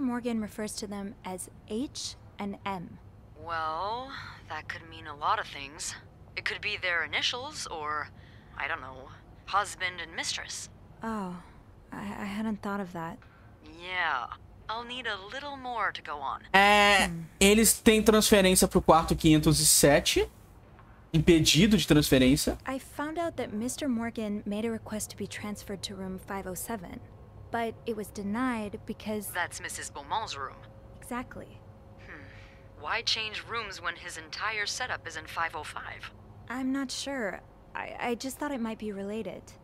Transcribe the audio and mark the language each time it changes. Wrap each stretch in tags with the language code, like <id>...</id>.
<en>Morgan refers to them as H and M. Well, that could mean a lot of things. It could be their initials or, I don't know, husband and mistress. Oh, I hadn't thought of that. Yeah, I'll need a little more to go on.</en> <pt>Eles têm transferência pro quarto 507. Impedido de transferência.</pt> <en>I found out that Mr. Morgan made a request to be transferred to room 507. But it was denied because... That's Mrs. Beaumont's room. Exactly. Why change rooms when his entire setup is in 505? I'm not sure. I just thought it might be related.</en>